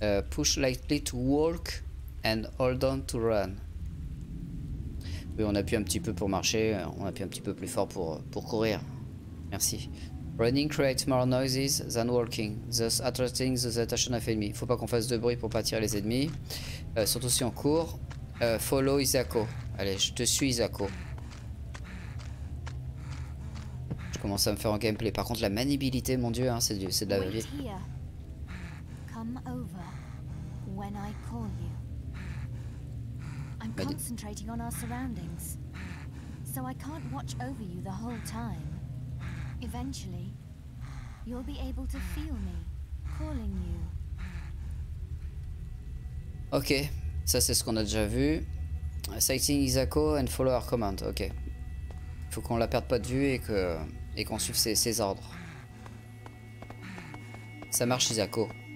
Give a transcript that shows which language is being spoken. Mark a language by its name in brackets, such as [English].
[English] Push lightly to walk and hold on to run. [French] Oui, on appuie un petit peu pour marcher. On appuie un petit peu plus fort pour courir. Merci. [English] Running creates more noises than walking, thus attracting the attention of enemies. [French] Faut pas qu'on fasse de bruit pour pas attirer les ennemis. Surtout si on court. [English] Follow Isako. [French] Allez, je te suis Isako. Je commence à me faire en gameplay. Par contre, la maniabilité, mon dieu, hein, c'est de la vie. [English] Come over when I call you. I'm concentrating on our surroundings, so I can't watch over you the whole time. Eventually, you'll be able to feel me calling you. [French] Ok, ça c'est ce qu'on a déjà vu. [English] Sighting Isako and follow our command. [French] Ok. Faut qu'on la perde pas de vue et qu'on suive ses ordres. Ça marche, Isako.